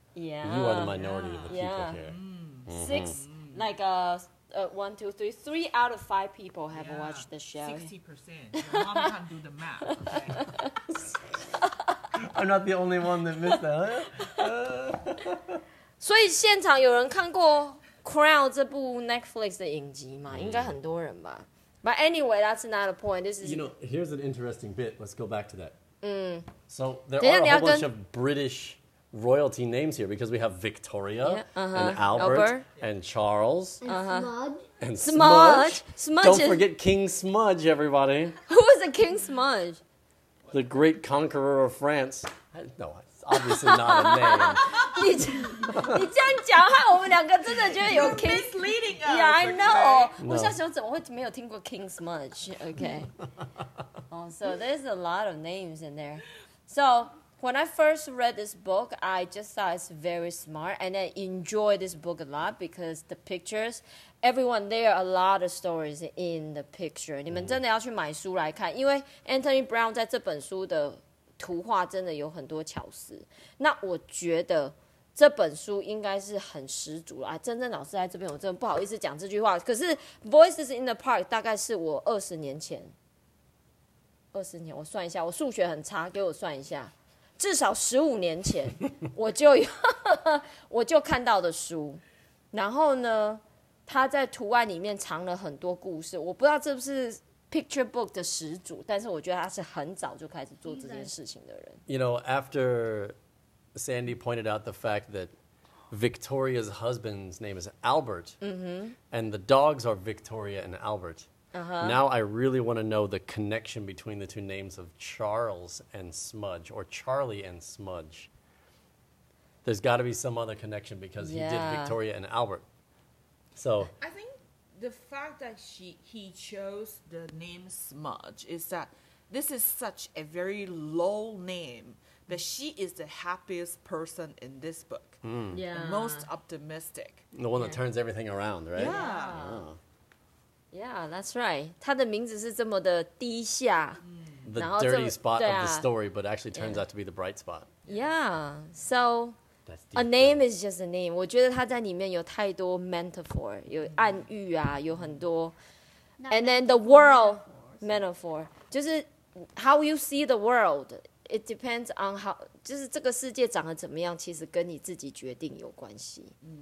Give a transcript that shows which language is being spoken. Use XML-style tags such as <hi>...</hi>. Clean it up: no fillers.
<en>Yeah. You are the minority of the people here. Mm. Mm-hmm. Six, like, one, two, three. Three out of five people have watched this show. 60%. Your mom can't do the math. I'm not the only one that missed that.</en> <zh>所以现场有人看过 Crown 这部 Netflix 的影集吗? 应该很多人吧。</zh> <en>But anyway, that's not a point. This is, you know, here's an interesting bit. Let's go back to that. Mm. So there are a whole bunch of British royalty names here because we have Victoria and Albert and Charles. And Smudge. Don't forget King Smudge, everybody. Who was the King Smudge? The great conqueror of France. No, obviously not a name.</en> <zh>你这样讲害我们两个真的觉得有 King</zh> <en>leading us. Yeah, I know. Okay.</en> <zh>我小时候怎么会没有听过 King Smudge? Okay.</zh> <en>Oh, so there's a lot of names in there. So when I first read this book, I just thought it's very smart, and I enjoyed this book a lot because the pictures, everyone, there are a lot of stories in the picture.</en> <zh>你们真的要去买书来看，因为 Anthony Brown 在这本书的 图画真的有很多巧思，那我觉得这本书应该是很十足啊！真正老师在这边，我真的不好意思讲这句话。可是 Voices in the Park 大概是我二十年前，我算一下，我数学很差，给我算一下，至少十五年前我就看到的书。然后呢，它在图案里面藏了很多故事，我不知道这不是 Picture book 的始祖，但是我觉得他是很早就开始做这件事情的人。</zh> <en>You know, after Sandy pointed out the fact that Victoria's husband's name is Albert, and the dogs are Victoria and Albert, now I really want to know the connection between the two names of Charles and Smudge, or Charlie and Smudge. There's got to be some other connection because he did Victoria and Albert. So the fact that he chose the name Smudge is that this is such a very low name, but she is the happiest person in this book. Mm. Yeah. The most optimistic. The one that turns everything around, right? Yeah. Yeah, that's right.</en> <zh>她的名字是这么的低下,</zh> <en>the dirty spot of the story, but actually turns out to be the bright spot. Yeah. So a name is just a name.</en> <zh>我觉得它在里面有太多 metaphor, 有暗喻啊, 有很多, and then the world metaphor, 就是 how you see the world, it depends on how, 就是这个世界长得怎么样，其实跟你自己决定有关系.</zh>